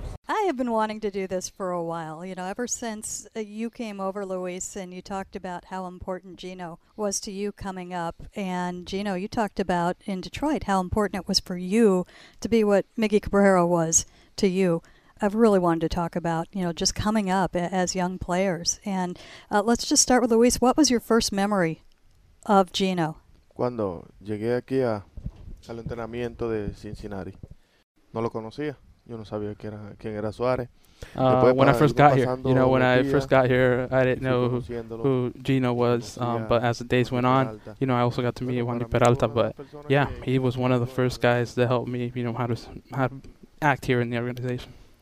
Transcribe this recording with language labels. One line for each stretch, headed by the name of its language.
English: I have been wanting to do this for a while. You know, ever since you came over, Luis, and you talked about how important Gino was to you coming up. And Gino, you talked about in Detroit how important it was for you to be what Miggy Cabrera was to you. I've really wanted to talk about, you know, just coming up as young players. And let's just start with Luis. What was your first memory of Gino?
Spanish: Cuando llegué aquí al entrenamiento de Cincinnati, no lo conocía. Yo no sabía quién era Suárez.
English: When I first got here, you know, when I first got here, I didn't know who Gino was. But as the days went on, you know, I also got to meet Wandy Peralta. But yeah, he was one of the first guys to help me, you know, how to act here in the organization.